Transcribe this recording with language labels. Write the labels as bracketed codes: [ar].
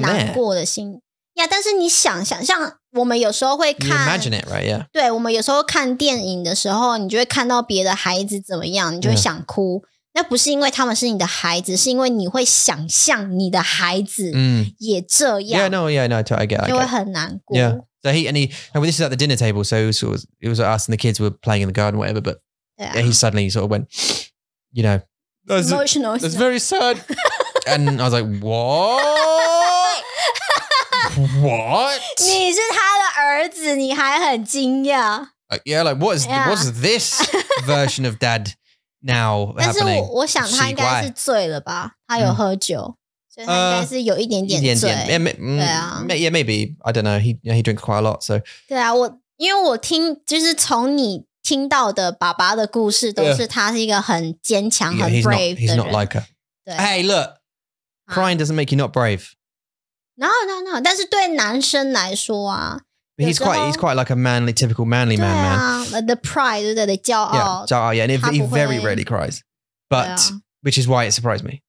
[zh] 难过的心 Yeah, 但是你想象像我们有时候会看 [en] You imagine it, right? Yeah. [zh] 对我们有时候看电影的时候你就会看到别的孩子怎么样你就会想哭。那不是因为他们是你的孩子，是因为你会想象你的孩子也这样。 [en] Yeah, no, yeah, no, I get it. [zh] 就会很难过。 [en] Yeah, so and this is at the dinner table, so it was us and the kids were playing in the garden, whatever. But he suddenly sort of went, you know, emotional. That's very sad. And I was like, what? What? [zh] 你是他的儿子，你还很惊讶 [en] ？Yeah, like what is what's this version of dad? Now, [zh] 但是我想他应该是醉了吧？他有喝酒，所以他应该是有一点点醉。对啊 [en] ，Yeah, maybe I don't know. He drinks quite a lot. So [zh] 对啊，我因为我听就是从你听到的爸爸的故事，都是他是一个很坚强、很 brave 的人。 [en] He's not like her. Hey, look, crying doesn't make you not brave. No, no, no. [zh] 但是对男生来说啊。 [en] He's quite like a manly, typical manly man, man. The pride, right? The 骄傲 Yeah, 骄傲 yeah. And he very rarely cries. But, which is why it surprised me.